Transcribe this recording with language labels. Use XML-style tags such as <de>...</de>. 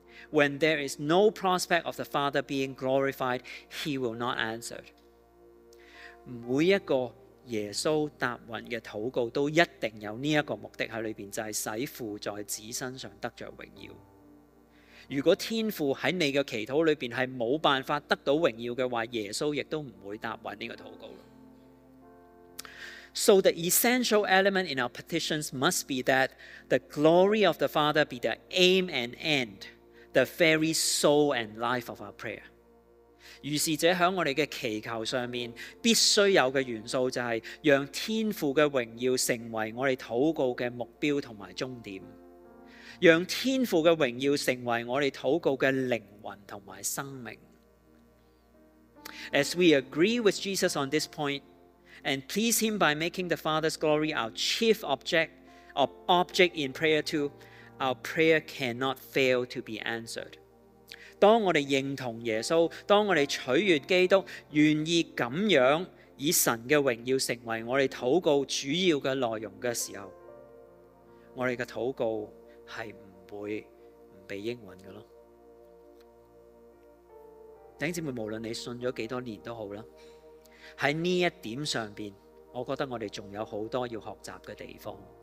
<en>When there is no prospect of the Father being glorified, He will not answer.</en> <zh>每一个耶稣答允的祷告都一定有这个目的在里面，就是使父在子身上得着荣耀。如果天父在你的祈祷里面是没办法得到荣耀的话，耶稣也都不会答允这个祷告。</zh> <en>So the essential element in our petitions must be that the glory of the Father be the aim and end, the very soul and life of our prayer.</en> <zh>于是者在我们的祈求上面必须有的元素，就是让天父的荣耀成为我们祷告的目标和终点，让天父的荣耀成为我们祷告的灵魂和生命。</zh> <en>As we agree with Jesus on this pointand please him by making the Father's glory our chief object in prayer too, our prayer cannot fail to be answered.</en> <zh>当我们认同耶稣，当我们取悦基督，愿意这样以神的荣耀成为我们祷告主要的内容的时候，我们的祷告是不会不被应允的。弟兄姊妹，无论你信了多少年都好，在这一点上面，我觉得我们还有很多要学习的地方。</zh>